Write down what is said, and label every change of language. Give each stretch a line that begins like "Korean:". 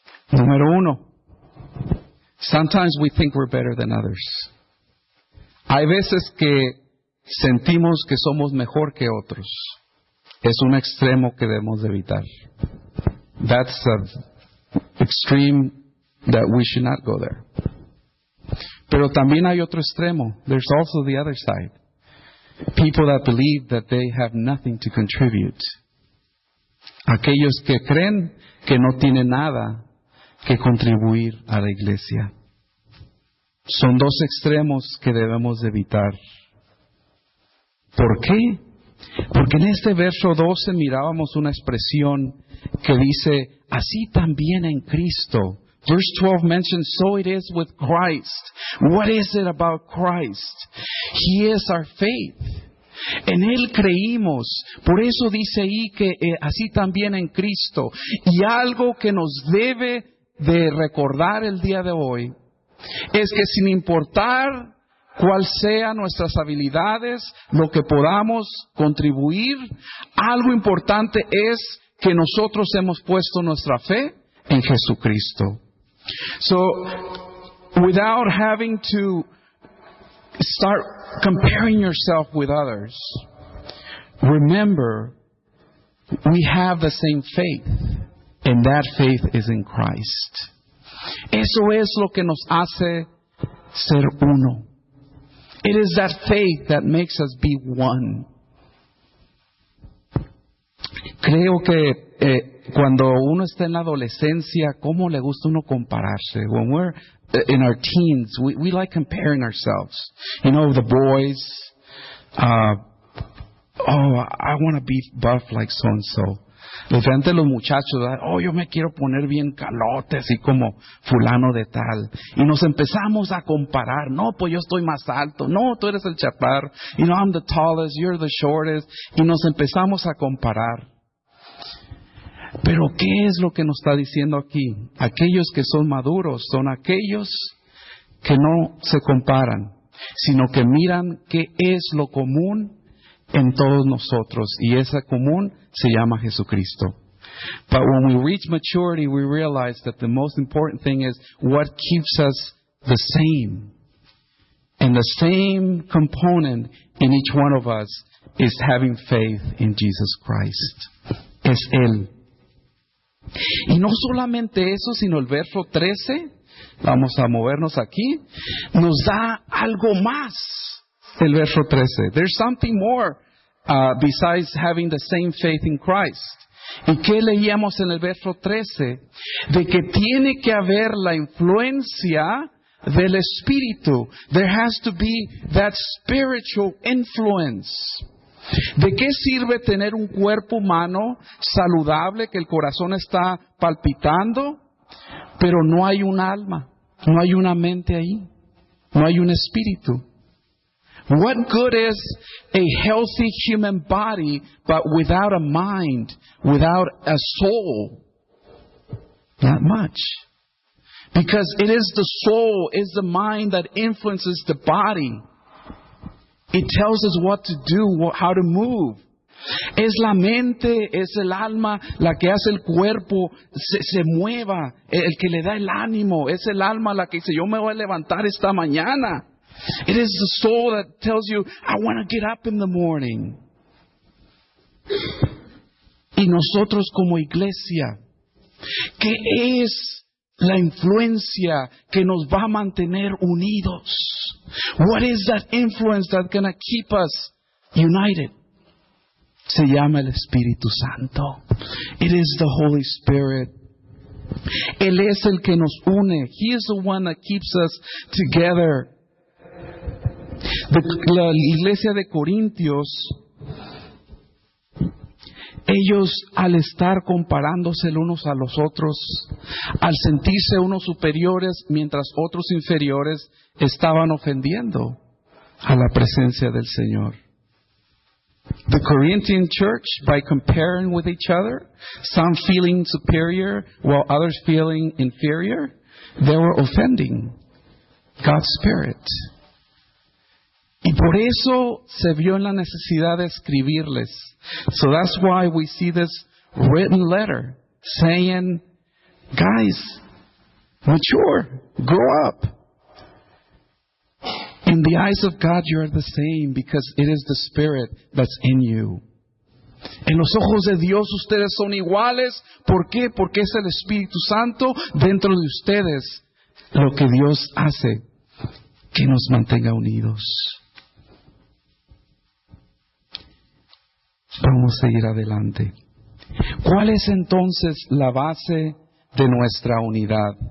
Spanish: Número uno,
English: sometimes we think we're better than others.
Spanish: Hay veces que sentimos que somos mejor que otros. Es un extremo que debemos de evitar.
English: That's an extreme that we should not go there.
Spanish: Pero también hay otro extremo.
English: There's also the other side. People that believe that they have nothing to contribute.
Spanish: Aquellos que creen que no tienen nada que contribuir a la iglesia. Son dos extremos que debemos de evitar. ¿Por qué? Porque en este verso 12 mirábamos una expresión que dice, así también en Cristo.
English: Verse 12 mentions, so it is with Christ. What is it about Christ? He is our faith.
Spanish: En Él creímos. Por eso dice ahí que así también en Cristo. Y algo que nos debe de recordar el día de hoy es que sin importar cuál sea nuestras habilidades, lo que podamos contribuir, algo importante es que nosotros hemos puesto nuestra fe en Jesucristo.
English: So, without having to start comparing yourself with others, remember, we have the same faith, and that faith is in Christ.
Spanish: Eso es lo que nos hace ser uno.
English: It is that faith that makes us be one.
Spanish: Creo que cuando uno está en la adolescencia, ¿cómo le gusta uno compararse?
English: When we're in our teens, we like comparing ourselves. You know, the boys, I want to be buff like so-and-so.
Spanish: De frente a los muchachos, oh, yo me quiero poner bien calote, así como fulano de tal. Y nos empezamos a comparar. No, pues yo estoy más alto. No, tú eres el chaparro.
English: You know, I'm the tallest, you're the shortest.
Spanish: Y nos empezamos a comparar. Pero, ¿qué es lo que nos está diciendo aquí? Aquellos que son maduros son aquellos que no se comparan, sino que miran qué es lo común en todos nosotros, y esa común se llama Jesucristo.
English: But when we reach maturity, we realize that the most important thing is what keeps us the same. And the same component in each one of us is having faith in Jesus Christ.
Spanish: Es Él. Y no solamente eso, sino el verso 13, vamos a movernos aquí, nos da algo más. El verso 13.
English: There's something more besides having the same faith in Christ.
Spanish: ¿Y qué leíamos en el verso 13? De que tiene que haber la influencia del Espíritu.
English: There has to be that spiritual influence.
Spanish: ¿De qué sirve tener un cuerpo humano saludable, que el corazón está palpitando, pero no hay un alma, no hay una mente ahí, no hay un espíritu?
English: What good is a healthy human body, but without a mind, without a soul? Not much. Because it is the soul, it's the mind that influences the body. It tells us what to do, how to move.
Spanish: Es la mente, es el alma la que hace el cuerpo se mueva, el que le da el ánimo. Es el alma la que dice, yo me voy a levantar esta mañana.
English: It is the soul that tells you, I want to get up in the morning.
Spanish: Y nosotros como iglesia, ¿qué es la influencia que nos va a mantener unidos?
English: What is that influence that's going to keep us united?
Spanish: Se llama el Espíritu Santo.
English: It is the Holy Spirit.
Spanish: Él es el que nos une.
English: He is the one that keeps us together.
Spanish: La iglesia de Corintios, ellos al estar comparándose unos a los otros, al sentirse unos superiores mientras otros inferiores, estaban ofendiendo a la presencia del Señor.
English: The Corinthian church, by comparing with each other, some feeling superior while others feeling inferior, they were offending God's Spirit. Y por eso se vio en la necesidad de escribirles. So that's why we see this written letter saying, guys, mature, grow up. In the eyes of God, you are the same because it is the Spirit that's in you.
Spanish: En los ojos de Dios, ustedes son iguales. ¿Por qué? Porque es el Espíritu Santo dentro de ustedes lo que Dios hace que nos mantenga unidos. Vamos a seguir adelante. ¿Cuál es entonces la base de nuestra unidad?